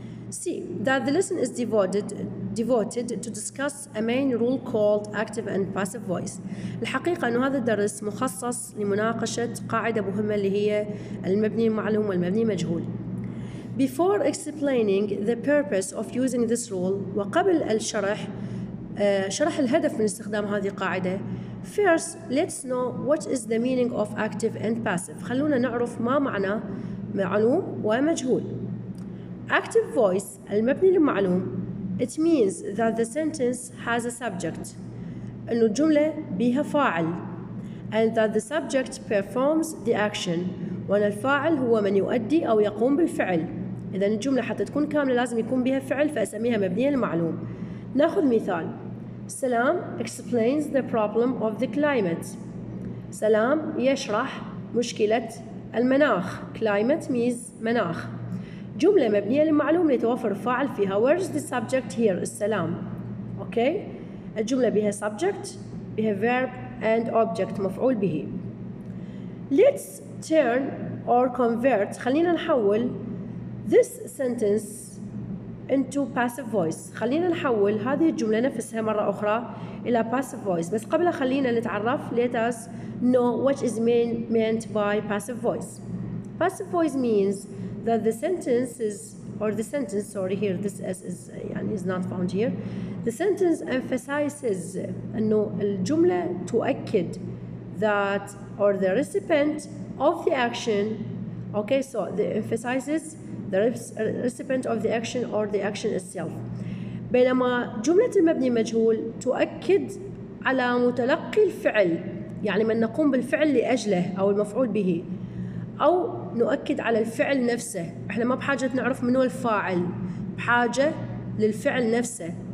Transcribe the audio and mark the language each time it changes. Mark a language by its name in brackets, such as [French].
[English] See that the lesson is devoted to discuss a main rule called active and passive voice. [Arabic] الحقيقة أن هذا الدرس مخصص لمناقشة قاعدة مهمة اللي هي المبني معلوم والمبني مجهول. [English] Before explaining the purpose of using this rule, [Arabic] وقبل الشرح شرح الهدف من استخدام هذه القاعدة. [English] First, let's know what is the meaning of active and passive. [Arabic] خلونا نعرف ما معنى معلوم ومجهول. [English] Active voice, [Arabic] المبني للمعلوم. [English] It means that the sentence has a subject. [Arabic] إنه الجملة بيها فاعل [English] and that the subject performs the action [Arabic] وأن الفاعل هو من يؤدي أو يقوم بالفعل. إذا الجملة حتى تكون كاملة لازم يكون بيها فعل فأسميها مبنية المعلوم. نأخذ مثال: [English] سلام explains the problem of the climate. [Arabic] سلام يشرح مشكلة المناخ. [English] climate means مناخ. [Arabic] جملة مبنية للمعلوم لتوفر فاعل فيها. [English] Where's the subject here? السلام. Okay. [Arabic] الجملة بها [English] subject, بها verb and object [Arabic] مفعول به. [English] Let's turn or convert. [Arabic] خلينا نحول [English] this sentence into passive voice. [Arabic] خلينا نحول هذه الجملة نفسها مرة أخرى إلى passive voice. بس قبل خلينا نتعرف. [English] Let us know what is meant by passive voice. Passive voice means that the sentence is, or the sentence, sorry, here this S is not found here. The sentence emphasizes [Arabic] أنه الجملة تؤكد [English] that or the recipient of the action. Okay, so the emphasizes the recipient of the action or the action itself. [Arabic] بينما جملة المبني مجهول تؤكد على متلقي الفعل، يعني من نقوم بالفعل لأجله أو المفعول به، أو نؤكد على الفعل نفسه. إحنا ما بحاجة نعرف من هو الفاعل، بحاجة للفعل نفسه.